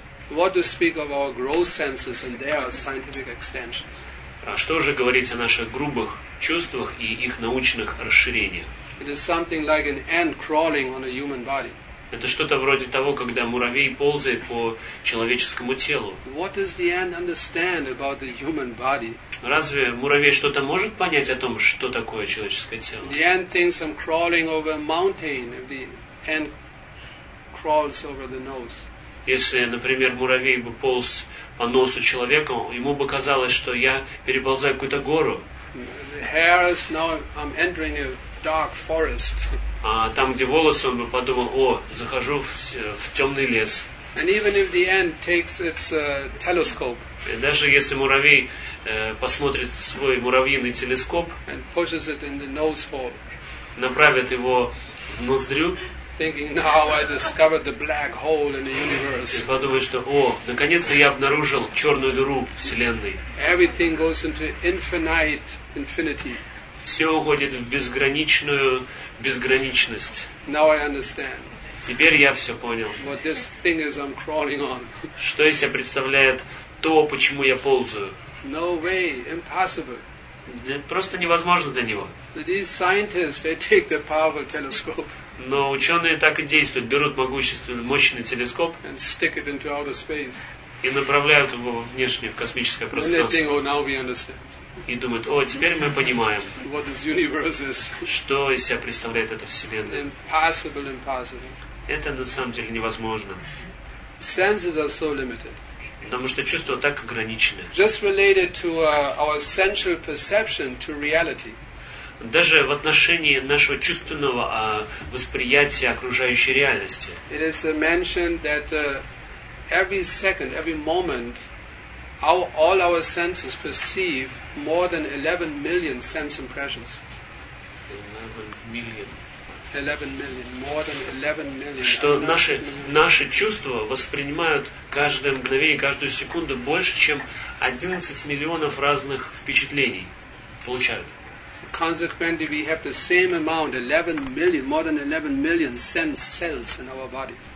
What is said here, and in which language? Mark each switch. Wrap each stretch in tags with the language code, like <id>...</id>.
<en>What to speak of our gross senses and their scientific extensions?</en> <ru>А что же говорить о наших грубых чувствах и их научных расширениях?</ru> <en>It is something like an ant crawling on a human body.</en> <ru>Это что-то вроде того, когда муравей ползает по человеческому телу.</ru> <en>What does the ant understand about the human body?</en> <ru>Разве муравей что-то может понять о том, что такое человеческое тело?</ru> <en>The ant thinks I'm crawling over a mountain. If the ant crawls over the nose.</en> <ru>Если, например, муравей бы полз по носу человека, ему бы казалось, что я переползаю какую-то гору.</ru> <en>The hairs, now I'm entering a dark forest.</en> <ru>А там, где волосы, он бы подумал, о, захожу в темный лес.</ru> <en>And even if the ant takes its telescope.</en> <ru>И даже если муравей посмотрит свой муравьиный телескоп,</ru> <en>and pushes it in the nose hole.</en> <ru>Направит его в ноздрю,</ru> <en>thinking now I discovered the black hole in the universe.</en> <ru>И подумает, что, о, наконец-то я обнаружил черную дыру вселенной.</ru> <en>Everything goes into infinite infinity.</en> <ru>Все уходит в безграничную безграничность.</ru> <en>Now I understand.</en> <ru>Теперь я все понял.</ru> <en>What this thing is I'm crawling on.</en> <ru>Что из себя представляет то, почему я ползаю?</ru> <en>No way, impossible.</en> <ru>Просто невозможно для него.</ru> <en>These scientists, they take the powerful telescope.</en> <ru>Но ученые так и действуют, берут могущественный, мощный телескоп</ru> <en>and stick it into outer space.</en> <ru>И направляют его во внешнее, в космическое пространство.</ru> <en>And they think, oh, now we understand.</en> <ru>И думают, о, теперь мы понимаем,</ru> <en>what this universe is.</en> <ru>Что из себя представляет эта Вселенная.</ru> <en>Impossible, impossible.</en> <ru>Это на самом деле невозможно.</ru> <en>Senses are so limited.</en> <ru>Потому что чувства так ограничены.</ru> <en>Just related to our sensual perception to reality.</en> <ru>Даже в отношении нашего чувственного восприятия окружающей реальности.</ru> <en>It is mentioned that every second, every moment, all our senses perceive more than 11 million sense impressions. 11 million, more than 11 million.</en> <ru>Что наши чувства воспринимают каждое мгновение, каждую секунду больше, чем 11 миллионов разных впечатлений получают.</ru> <en>Consequently, we have the same amount, 11 million, more than 11 million sense cells in our body.</en>